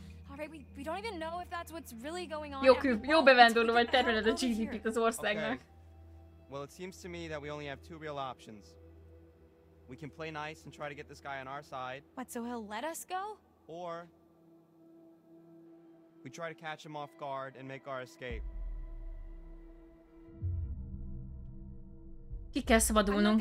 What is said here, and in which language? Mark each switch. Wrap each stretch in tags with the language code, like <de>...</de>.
<en>Alright, we don't even know if that's what's really going on.</en> <hu>Jó küb, jó bevándorló vagy, terveled a GDP-t az országnak.</hu> <en>Well, it seems to me that we only have two real options. We can play nice and try to get this guy on our side. What, so he'll let us go? Or we try to catch him off guard and make our escape.</en> <hu>Ki kell szabadulnunk.</hu>